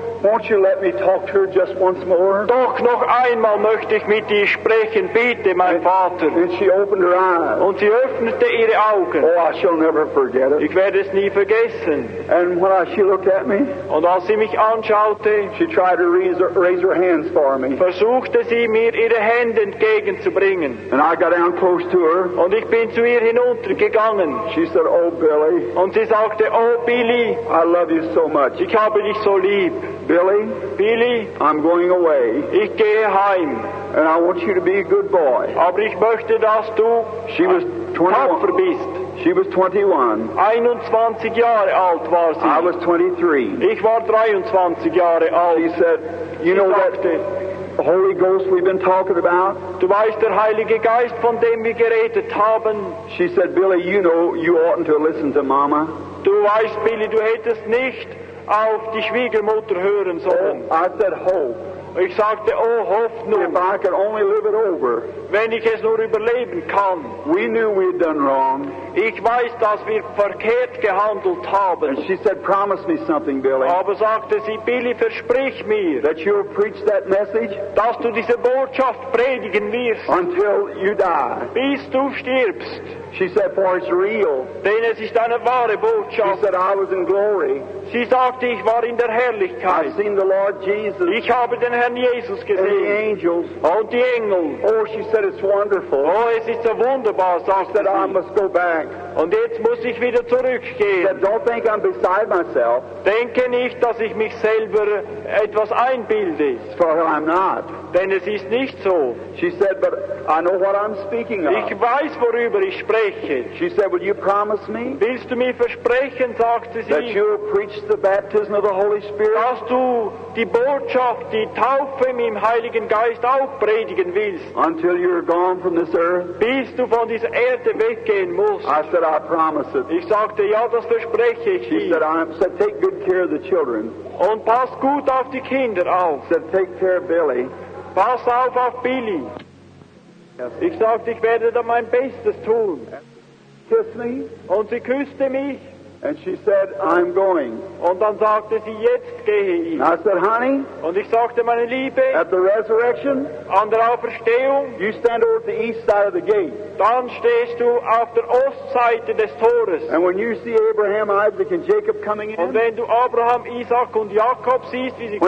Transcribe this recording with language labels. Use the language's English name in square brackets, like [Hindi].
[English] Won't you let me talk to her just once more? [German] Doch noch einmal möchte ich mit dir sprechen, bitte, mein Vater. [English] And she opened her eyes. [German] Und sie öffnete ihre Augen. [English] Oh, I shall never forget it. [German] Ich werde es nie vergessen. [English] And when she looked at me, [German] und als sie mich anschaute, [English] she tried to raise her hands for me. [German] Versuchte sie mir ihre Hände entgegenzubringen. [English] And I got down close to her. [German] Und ich bin zu ihr hinuntergegangen. [English] She said, "Oh, Billy." [German] Und sie sagte, "Oh, Billy." [English] I love you so much. [German] Ich habe dich so lieb. [English] Billy, I'm going away. [German] Ich gehe heim. [English] And I want you to be a good boy. [German] Aber ich möchte, dass du [English] she was 21. [German] Tapfer bist. [English] She was 21. [German] 21 Jahre alt war sie. [English] I was 23. [German] Ich war 23 Jahre alt. [English] She said, you know [German] sagte, [English] that Holy Ghost we've been talking about? [German] Du weißt, der Heilige Geist, von dem wir geredet haben. [English] She said, Billy, you know, you oughtn't to listen to Mama. [German] Du weißt, Billy, du hättest nicht auf die Schwiegermutter hören sollen. [English] Oh, I said, Hope. [German] Ich sagte, oh, Hoffnung. [English] If I could only live it over. [German] Wenn ich es nur überleben kann. [English] We knew we'd done wrong. [German] Ich weiß, dass wir verkehrt gehandelt haben. [English] And she said, promise me something, Billy. [German] Aber sagte sie, Billy, versprich mir. [English] That you'll preach that message. [German] Dass du diese Botschaft predigen wirst. [English] Until you die. [German] Bis du stirbst. [English] She said, for it's real. [German] Denn es ist eine wahre Botschaft. [English] She said, I was in glory. [German] Sie sagte, ich war in der Herrlichkeit. [English] I've seen the Lord Jesus. [German] Ich habe den Herrn Jesus gesehen. [English] And the angels. [German] Und die Engel. [English] Oh, she said, it's wonderful. [German] Oh, es ist so wunderbar, sagte [English] she said, [German] sie. [English] I must go back. [German] Und jetzt muss ich wieder zurückgehen. [English] She said, don't think I'm beside myself. [German] Denke nicht, dass ich mich selber etwas einbilde. [English] For I'm not. [German] Denn es ist nicht so. [English] She said, but I know what I'm speaking of. [German] Ich weiß, worüber ich spreche. [English] She said, will you promise me? [German] Willst du mir versprechen, sagte sie. [English] That you'll preach the baptism of the Holy Spirit? [German] Dass du die Botschaft, die Taufe im Heiligen Geist auch predigen willst. [English] Until you're gone from this earth? [German] Bis du von dieser Erde weggehen musst. [English] I said, I promise it. [German] Ich sagte, ja, das verspreche ich. [English] She said, take good care of the children. [German] Und pass gut auf die Kinder auf. [English] Said, take care of Billy. [German] Pass auf Billy. [English] Yes. [German] Ich sagte, ich werde da mein Bestes tun. [English] Kiss me. [German] Und sie küsste mich. [English] And she said, I'm going. [German] Und dann sagte sie, jetzt gehe ich. [English] I said, honey. [German] Und ich sagte, meine Liebe. [English] At the resurrection. [German] An der Auferstehung. [English] You stand over the east side of the gate. [German] Dann stehst du auf der Ostseite des Tores. [English] And when you see Abraham, Isaac, and Jacob coming in. [German] Und wenn du Abraham, Isaac und Jakob siehst, wie sie